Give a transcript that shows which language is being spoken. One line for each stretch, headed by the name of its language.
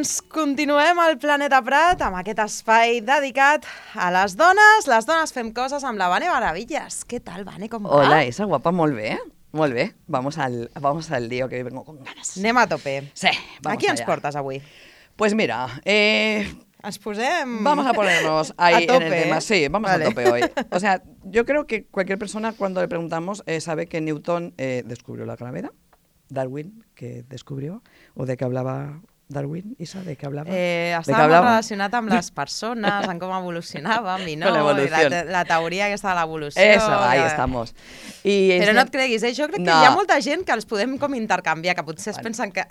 Catalan: Continuem al Planeta Prat amb aquest espai dedicat a les dones. Les dones fem coses amb la Vane Maravillas. Què tal, Vane? Com va? Hola, Isa, guapa, molt bé. Molt bé.
Spanish: Vamos al lío que vengo con ganas.
Catalan: Anem a tope. Sí, vamos. ¿A qui ens portes avui?
Spanish: Pues mira,
Catalan: ens posem...
Spanish: Vamos a ponernos ahí a tope, en el tema. Sí, vamos vale. A tope hoy. O sea, yo creo que cualquier persona cuando le preguntamos sabe que Newton descubrió la gravedad. Darwin, que descubrió, o de qué hablaba... Darwin, Isa, ¿de qué hablaba? Estaba relacionada con las personas, en cómo evolucionaban y no. Con la evolución. La teoría que está de la evolución. Eso, ahí estamos.
Catalan: I però no et creguis, jo crec que hi ha molta gent que els podem com intercanviar, que potser es pensen que...